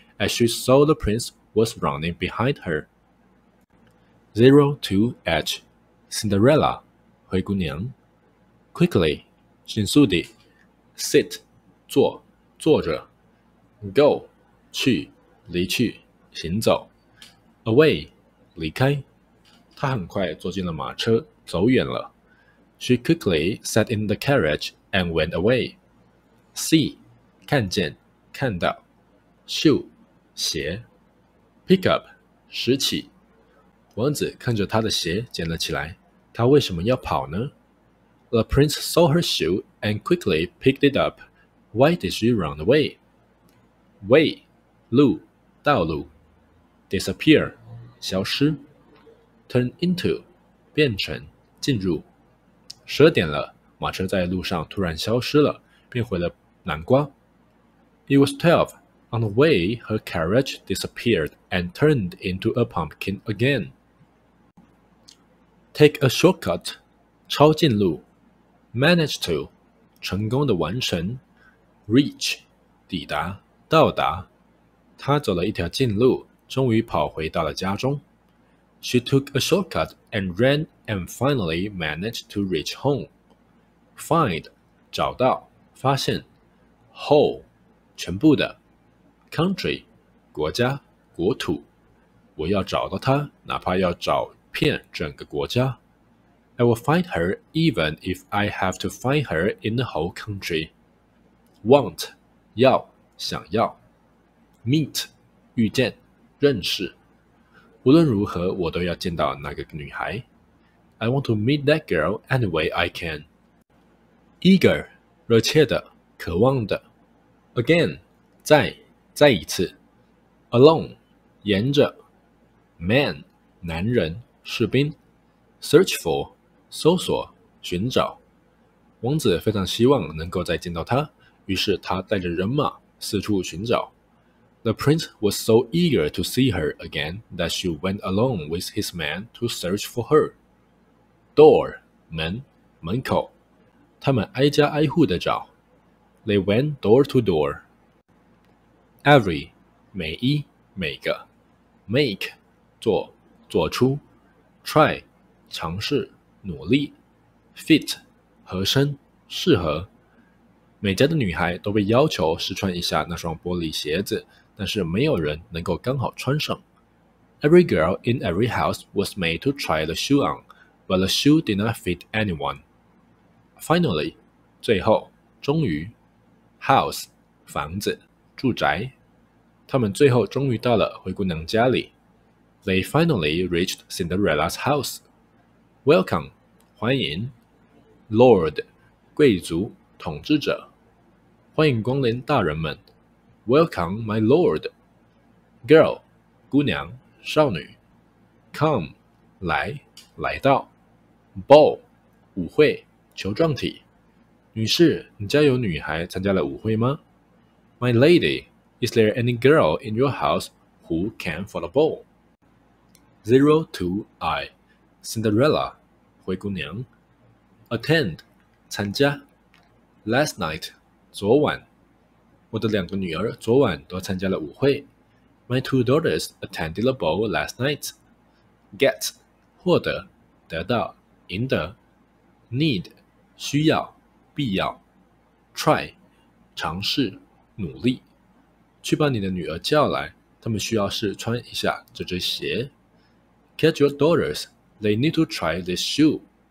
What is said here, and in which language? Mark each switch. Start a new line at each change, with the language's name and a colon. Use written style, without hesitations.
English: As she saw the prince. Was running behind her. 02H, Cinderella, 灰姑娘 Quickly, 迅速地 Sit, 坐，坐着 Go, 去，离去，行走 Away,
Chinese: 离开她很快坐进了马车，走远了
English: She quickly sat in the carriage and went away.
Chinese: See, 看见，看到 Shoe, 鞋Pick up, 拾起。王子看着他的鞋捡了起来。他为什么要跑呢 ？
English: The prince saw her shoe and quickly picked it up. Why did she run away? Way, 路，道路。
Chinese: Disappear, 消失。Turn into, 变成，进入。十二点了，马车在路上突然消失了，变回了南瓜。
English: It was 12. On the way, her carriage disappeared and turned into a pumpkin again. Take a shortcut, 抄近路, manage to,
Chinese: 成功的完成 reach 抵达到达。他走了一条近路，终于跑回到了家中。
English: She took a shortcut and ran and finally managed to reach home.
Chinese: Find 找到发现 whole 全部的 country 国家国土。我要找到他，哪怕要找遍整个国家。
English: I will find her even if I have to find her in the whole country.
Chinese: Want 要想要 Meet 遇见认识。无论如何我都要见到那个女孩。
English: I want to meet that girl any way I can.
Chinese: Eager 热切的渴望的。Again 再一次。 Along 沿着。Man 男人士兵。 Search for 搜索寻找。王子非常希望能够再见到她，于是他带着人马四处寻找。
English: The prince was so eager to see her again that she went along with his men to search for her. Door,
Chinese: 门，门口。他们挨家挨户地找。
English: They went door to door. Every, 每一，每个。
Chinese: Make, 做，做出。Try, 尝试，努力。 Fit, 合身，适合。每家的女孩都被要求试穿一下那双玻璃鞋子，但是没有人能够刚好穿上。
English: Every girl in every house was made to try the shoe on, but the shoe did not fit anyone.
Chinese: Finally, 最后，终于 ，house, 房子，住宅。他们最后终于到了灰姑娘家里。
English: They finally reached Cinderella's house. Welcome, 欢迎。
Chinese: Lord, 贵族，统治者。欢迎光临，大人们。
English: Welcome, my lord. Girl, 姑娘，少女。
Chinese: Come, 来，来到。Ball, 舞会，球状体。女士，你家有女孩参加了舞会吗？
English: My lady, is there any girl in your house who came for the ball?
Chinese: 02 I, Cinderella, 灰姑娘。 Attend, 参加。Last night, 昨晚。我的两个女儿昨晚都参加了舞会。
English: My two daughters attended the ball last night.
Chinese: Get, 获得，得到，赢得。Need, 需要，必要。 Try, 尝试，努力。去把你的女儿叫来，她们需要试穿一下这只鞋。
English: Get your daughters, they need to try this shoe.